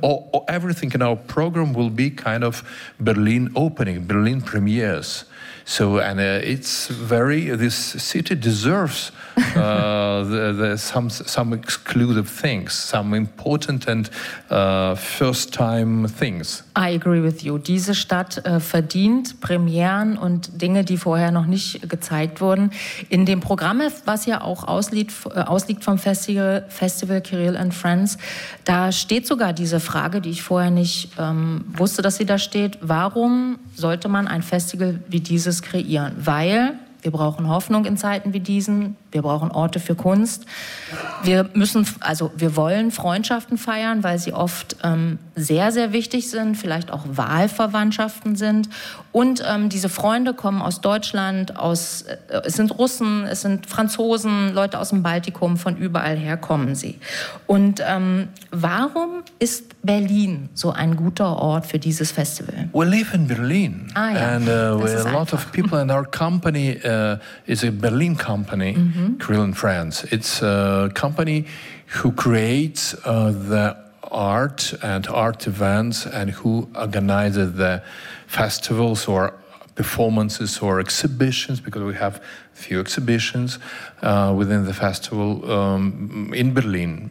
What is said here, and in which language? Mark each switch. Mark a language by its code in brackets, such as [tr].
[en] So everything in our program will be kind of Berlin opening, Berlin premieres. So, and this city deserves some exclusive things, some important and first-time things. I agree with you. [de] Diese Stadt verdient Premieren und Dinge, die vorher noch nicht gezeigt wurden. In dem Programm, was ja auch ausliegt vom Festival Kirill and Friends, da steht sogar diese Frage, die ich vorher nicht wusste, dass sie da steht. Warum sollte man ein Festival wie dieses kreieren? Weil wir brauchen Hoffnung in Zeiten wie diesen. Wir brauchen Orte für Kunst. Wir wollen Freundschaften feiern, weil sie oft sehr, sehr wichtig sind, vielleicht auch Wahlverwandtschaften sind. Und diese Freunde kommen aus Deutschland, es sind Russen, es sind Franzosen, Leute aus dem Baltikum, von überall her kommen sie. Und warum ist Berlin so ein guter Ort für dieses Festival? [en] We live in Berlin. [de] Ah, ja. [en] And a lot of people in our company is a Berlin company. Mm-hmm. Kirill and Friends. It's a company who creates the art and art events and who organizes the festivals or performances or exhibitions, because we have few exhibitions within the festival in Berlin.